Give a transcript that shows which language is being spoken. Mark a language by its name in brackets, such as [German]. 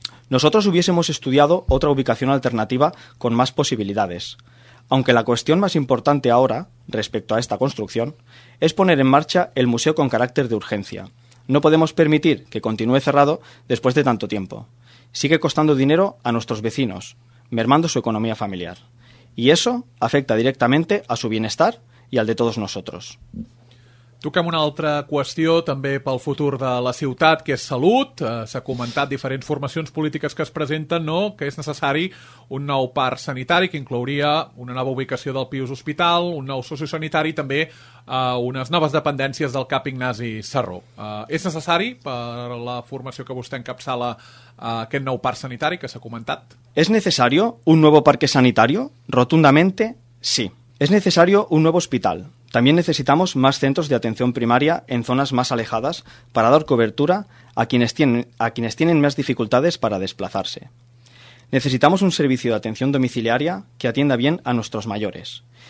[Spanish] Nosotros hubiésemos estudiado otra ubicación alternativa con más posibilidades, aunque la cuestión más importante ahora, respecto a esta construcción, es poner en marcha el museo con carácter de urgencia. No podemos permitir que continúe cerrado después de tanto tiempo. Sigue costando dinero a nuestros vecinos, mermando su economía familiar. Y eso afecta directamente a su bienestar y al de todos nosotros. [Catalan] Toquem una altra qüestió també pel futur de la ciutat, que és salut. S'ha comentat diferents formacions polítiques que es presenten, no?, que és necessari un nou parc sanitari que inclouria una nova ubicació del Pius Hospital, un nou sociosanitari i també unes noves dependències del CAP Ignasi Sarró. És necessari per la formació que vostè encapçala aquest nou parc sanitari que s'ha comentat? [Spanish] ¿Es necesario un nuevo parque sanitario? Rotundamente, sí. ¿Es necesario un nuevo hospital? También necesitamos más centros de atención primaria en zonas más alejadas para dar cobertura a quienes tienen más dificultades para desplazarse. Necesitamos un servicio de atención domiciliaria que atienda bien a nuestros mayores.